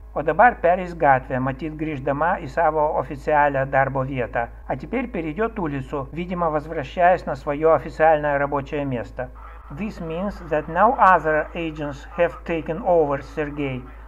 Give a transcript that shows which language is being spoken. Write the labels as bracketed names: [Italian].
[Lithuanian] O dabar pereis gatvę, matyt grįždama į savo oficialią darbo vietą. [Russian] A теперь перейдет улицу, видимо возвращаясь на свое официальное рабочее место. [English] This means that now other agents have taken over Sergei.